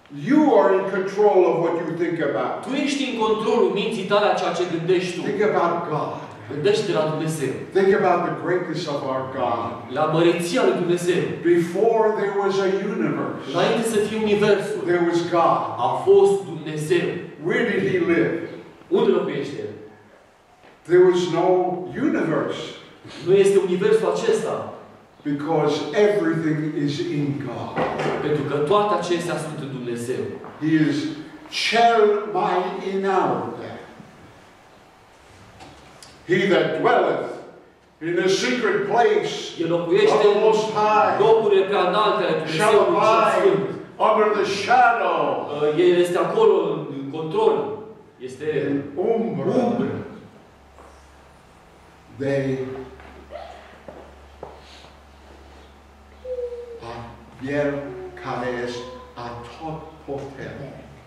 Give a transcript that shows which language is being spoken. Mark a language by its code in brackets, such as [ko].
[en] You are in control of what you think about. [ro] Tu ești în controlul minții tale a ceea ce gândești tu. [en] Think about God. [ro] Gândește-te la Dumnezeu. [en] Think about the greatness of our God. [ro] La măreția lui Dumnezeu. [en] Before there was a universe. [ro] Înainte să fie universul. [en] There was God. [ro] A fost Dumnezeu. [en] Where did He live? [ro] Unde locuiește El? [en] There was no universe. [ro] Nu este universul acesta. [en] Because everything is in God. [ro] Pentru că toate acestea sunt în Dumnezeu. [en] He is [ro] cel mai înalt. [en] He that dwelleth in a secret place of the Most High [ro] locurile prea înalte ale [en] shall abide under the shadow. [ro] El este acolo în control. Este în umbră. [en] They are [ro] el care este atotputernic.